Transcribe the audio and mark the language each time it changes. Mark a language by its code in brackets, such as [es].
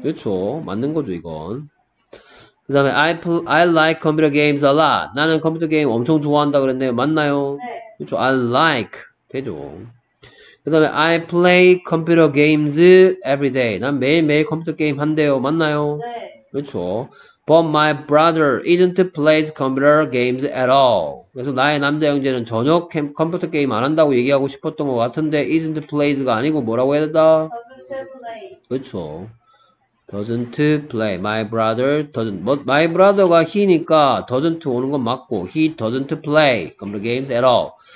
[ko] 그렇죠. 맞는 거죠, 이건. 그 다음에 [en] I like computer games a lot. [ko] 나는 컴퓨터 게임 엄청 좋아한다 그랬네요. 맞나요? 네. [en] 그렇죠. I like. 되죠. [ko] 그 다음에 [en] I play computer games every day. [ko] 난 매일매일 컴퓨터 게임 한대요. 맞나요? 네. 그렇죠. [en] But my brother isn't plays computer games at all. [ko] 그래서 나의 남자 형제는 전혀 컴퓨터 게임 안 한다고 얘기하고 싶었던 것 같은데 [en] isn't plays [ko] 가 아니고 뭐라고 해야 되다? [en] Doesn't play. 그렇죠. Doesn't play. My brother doesn't. But my brother가 he니까 doesn't [ko] 오는 건 맞고 [en] he doesn't play computer games at all.